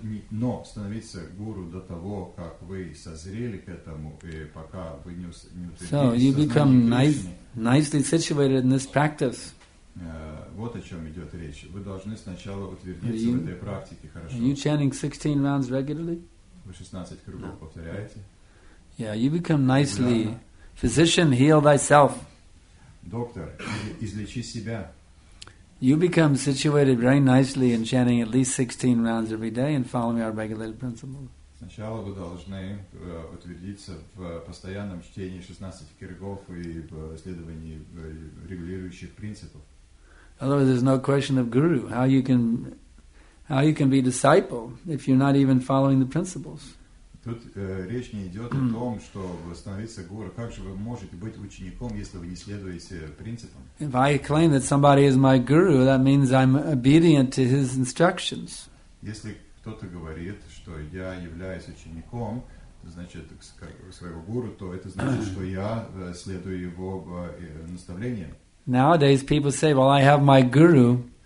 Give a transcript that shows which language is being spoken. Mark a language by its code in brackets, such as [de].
[ru] Но становиться гуру до того, как вы созрели к этому, и пока вы не утвердились. [en] So you become nicely situated in this practice. [ru] Вот о чем идет речь. Вы должны сначала утвердиться в этой практике хорошо. [en] Are you chanting 16 rounds regularly? [ru] Вы 16 кругов повторяете? [en] Yeah, you become nicely. Physician, heal thyself. [ru] Доктор, излечи себя. [en] You become situated very nicely in chanting at least 16 rounds every day and following our regulated principles. [ru] Сначала вы должны утвердиться в постоянном чтении 16 кругов и в следовании регулирующих принципов. [en] Otherwise, there's no question of guru. How you can be disciple if you're not even following the principles? [ru] Тут речь не идет о том, чтобы становиться гуру. Как же вы можете быть учеником, если вы не следуете принципам? [en] If I claim that somebody is my guru, that means I'm obedient to his instructions. [ru] Если кто-то говорит, что я являюсь учеником, значит, своего гуру, то это значит, что я следую его наставлениям. [en] Nowadays people say, well, I have my guru.